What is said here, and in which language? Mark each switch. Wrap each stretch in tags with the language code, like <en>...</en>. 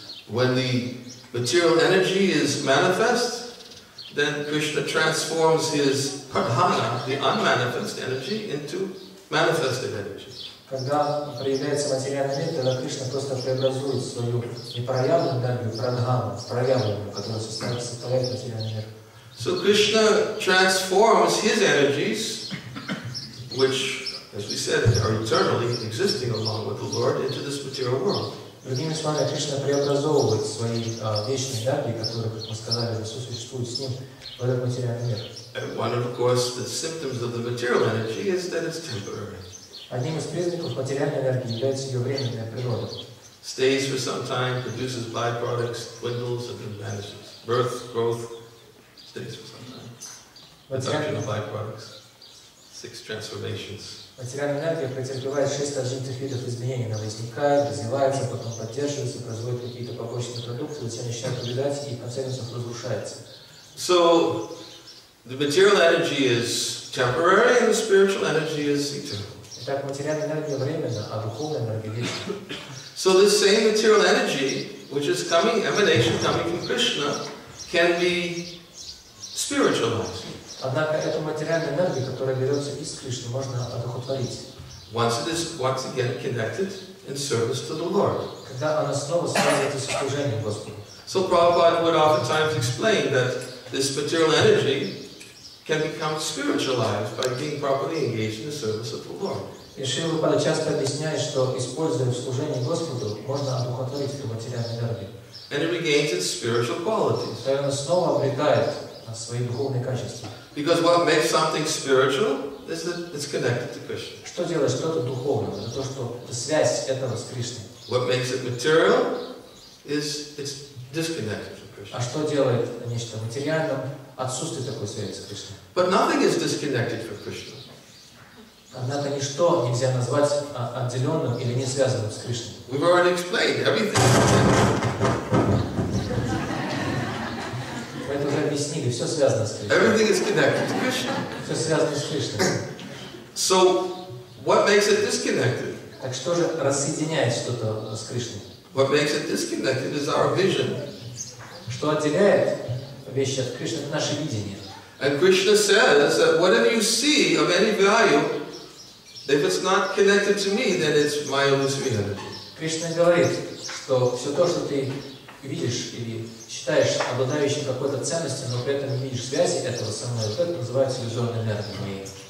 <en>When the material energy is manifest, then Krishna transforms his pradhana, the unmanifest energy, into manifested energy.</en> <ru>Когда проявляется материальный мир, тогда Кришна просто преобразует свою непроявленную энергию, прадхану, в проявленную, которая составляет материальный мир.</ru> <en>So Krishna transforms his energies, which, as we said, are eternally existing along with the Lord, into this material world.</en> <ru>Другими словами, Кришна преобразовывает свои вечные энергии, которые, как мы сказали, сосуществуют с ним, в этот материальный мир.</ru> <en>And one of course, the symptoms of the material energy is that it's temporary.</en> <ru>Одним из признаков материальной энергии является ее временная природа.</ru> <en>Stays for some time, produces byproducts, dwindles, and then vanishes. Birth, growth, stays for some time. Production of byproducts, six transformations.</en> <ru>Материальная энергия претерпевает шесть различных видов изменений. Она возникает, развивается, потом поддерживается, производит какие-то побочные продукты, затем начинает убегать и в конце концов разрушается.</ru> <en>So, the material energy is temporary and the spiritual energy is eternal.</en> <ru>Итак, материальная энергия временна, а духовная энергия вечна.</ru> <en>So this same material energy, which is coming, emanation coming from Krishna, can be spiritualized.</en> <ru>Однако эту материальную энергию, которая берется из Кришны, можно одухотворить.</ru> <en>Once it is once again connected in service to the Lord.</en> <ru>Когда она снова связывается с служением Господу.</ru> <en>So Prabhupada would oftentimes explain that this material energy can become spiritualized by being properly engaged in the service of the Lord.</en> <ru>И Шрила Прабхупада часто объясняет, что, используя в служении Господу, можно одухотворить эту материальную энергию.</ru> <en>And it regains its spiritual qualities.</en> <ru>И она снова обретает свои духовные качества.</ru> <en>Because what makes something spiritual is that it's connected to Krishna.</en> <ru>Что делает что-то духовное? Это то, что связь этого с Кришной.</ru> <en>What makes it material is it's disconnected from Krishna.</en> <ru>А что делает нечто материальным? Отсутствие такой связи с Кришной.</ru> <en>But nothing is disconnected from Krishna.</en> <ru>Однако ничто нельзя назвать отделенным или не связанным с Кришной.</ru> <en>We've already explained everything.</en> <ru>Мы это уже объяснили. Все связано с Кришной.</ru> <en>Everything is connected to Krishna.</en> <ru>Все связано с Кришной.</ru> <en>So, what makes it disconnected?</en> <ru>Так что же рассоединяет что-то с Кришной?</ru> <en>What makes it disconnected is our vision.</en> <ru>Что отделяет вещи от Кришны — это наше видение.</ru> <en>And Krishna says that whatever you see of any value, if it's not connected to me, then it's my illusory energy.</en> <ru>Кришна говорит, что все то, что ты видишь или считаешь обладающим какой-то ценностью, но при этом не видишь связи этого со мной, это называется иллюзорной энергией.</ru>